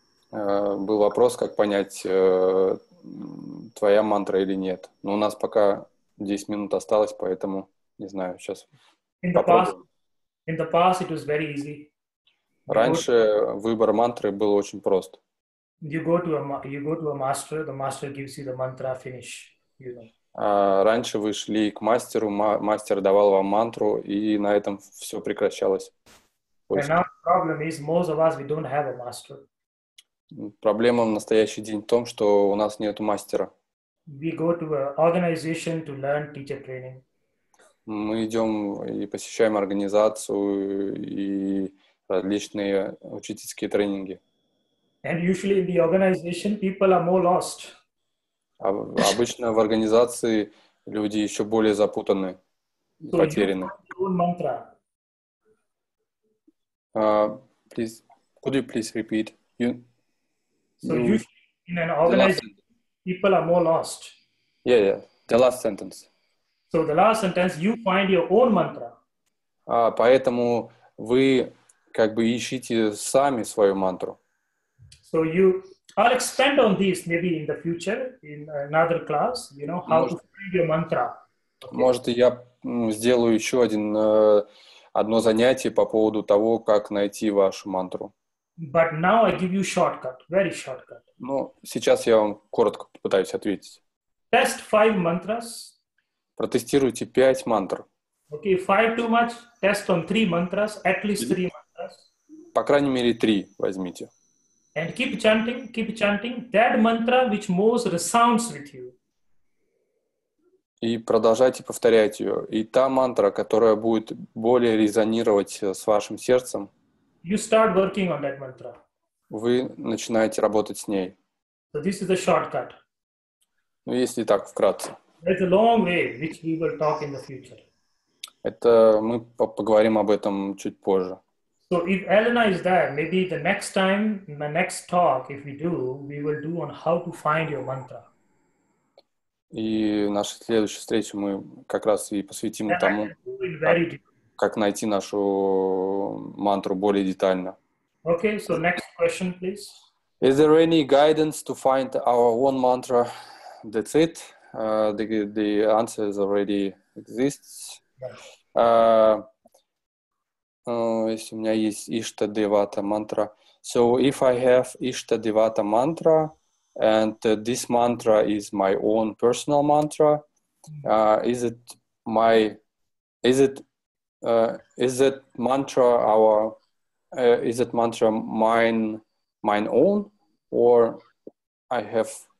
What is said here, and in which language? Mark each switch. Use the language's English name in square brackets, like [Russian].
[Russian] Был вопрос, как понять, твоя мантра или нет. Но у нас пока 10 минут осталось, поэтому не знаю, сейчас попробуем. [English] In the past it was very easy. [Russian] Раньше выбор мантры был очень прост. [English] You go to a master, the master gives you the mantra, finish. You know. [Russian] Раньше вы шли к мастеру, мастер давал вам мантру, и на этом все прекращалось. [English] And now the problem is, most of us, we don't have a master. [Russian] Проблема в настоящий день в том, что у нас нет мастера. [English] We go to an organization to learn teacher training. [Russian] Мы идем и посещаем организацию и различные учительские тренинги. [English] And usually in the organization people are more lost. [Russian] Обычно в организации люди еще более запутаны и потеряны. [English] So you have your own mantra. Please, could you please repeat? So usually in an organization people are more lost. Yeah, yeah. The last sentence. So the last sentence, you find your own mantra. [Russian] Поэтому вы как бы ищите сами свою мантру. [English] So you, I'll expand on this maybe in the future, in another class, you know, how to find your mantra. [Russian] Может, я сделаю еще одно занятие по поводу того, как найти вашу мантру. [English] But now I give you shortcut, very shortcut. [Russian] Ну, сейчас я вам коротко попытаюсь ответить. [English] Test 5 mantras. [Russian] Протестируйте 5 мантр. [English] Okay, 5 too much. Test on 3 mantras, at least 3 mantras. [Russian] По крайней мере, 3 возьмите. [English] And keep chanting that mantra which most resounds with you. [Russian] И продолжайте повторять ее. И та мантра, которая будет более резонировать с вашим сердцем. [English] You start working on that mantra. [Russian] Вы начинаете работать с ней. [English] So this is a shortcut. [Russian] Ну, если так, вкратце. [English] It's a long way, which we will talk in the future. [Russian] Это мы поговорим об этом чуть позже. [English] So if Elena is there, maybe the next time, the next talk, if we do, we will do on how to find your mantra. [Russian] И наша следующая встреча мы как раз и посвятим тому, как найти нашу мантру более детально. [English] Okay, so next question, please. Is there any guidance to find our own mantra? That's it. The answer is already exists. [Russian] Если у меня есть Ишта Девата мантра. [English] So if I have Ишта Девата мантра, and this mantra is my own personal mantra, is that mantra mine own, or I have